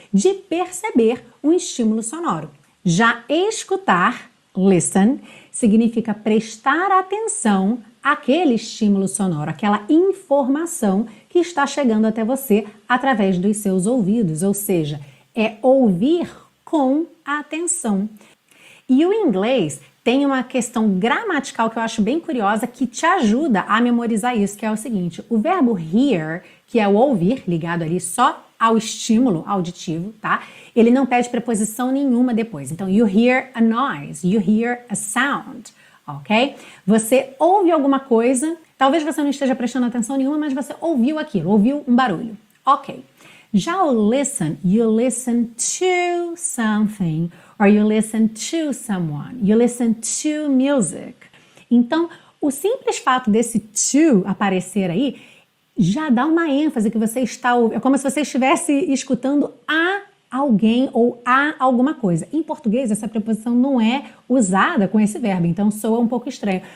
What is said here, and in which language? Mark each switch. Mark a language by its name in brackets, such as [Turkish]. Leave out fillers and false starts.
[Portuguese] De perceber um estímulo sonoro. Já escutar, listen, significa prestar atenção àquele estímulo sonoro, aquela informação que está chegando até você através dos seus ouvidos, ou seja, é ouvir com atenção. E o inglês tem uma questão gramatical que eu acho bem curiosa que te ajuda a memorizar isso, que é o seguinte: o verbo hear, que é o ouvir, ligado ali só ao estímulo auditivo, tá? Ele não pede preposição nenhuma depois. [English] Então, you hear a noise, you hear a sound, ok? [Portuguese] Você ouve alguma coisa, talvez você não esteja prestando atenção nenhuma, mas você ouviu aquilo, ouviu um barulho, ok? Já o [English] listen, you listen to something, or you listen to someone, you listen to music. [Portuguese] Então, o simples fato desse to aparecer aí já dá uma ênfase que você está, é como se você estivesse escutando a alguém ou a alguma coisa. Em português, essa preposição não é usada com esse verbo, então soa um pouco estranho.